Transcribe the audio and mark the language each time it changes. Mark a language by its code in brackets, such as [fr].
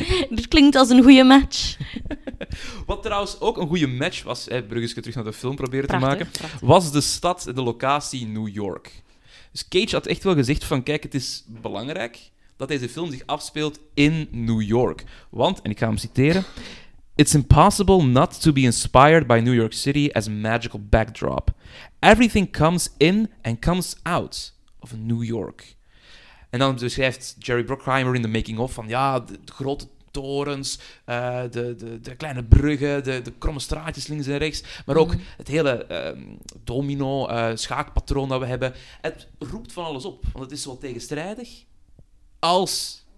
[nl] Dat klinkt als een goede match. Wat trouwens ook een goede match was, bruggetje terug naar de film proberen prachtig, te maken, prachtig. Was de stad en de locatie New York. Dus Cage had echt wel gezegd van, kijk, het is belangrijk dat deze film zich afspeelt in New York. Want, en ik ga hem citeren... [en] It's impossible not to be inspired by New York City as a magical backdrop. Everything comes in and comes out of New York. [nl] En dan beschrijft Jerry Bruckheimer in The Making Of van ja, de grote torens, de kleine bruggen, de kromme straatjes links en rechts, maar ook het hele domino schaakpatroon dat we hebben. Het roept van alles op, want het is wel tegenstrijdig als...